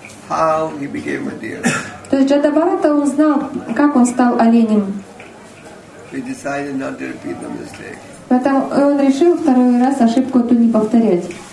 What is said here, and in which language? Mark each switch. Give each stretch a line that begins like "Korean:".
Russian: То есть Джада Бхарата он знал, как он стал оленем.
English: He decided not to repeat the mistake.
Russian: Поэтому он решил второй раз ошибку эту не повторять.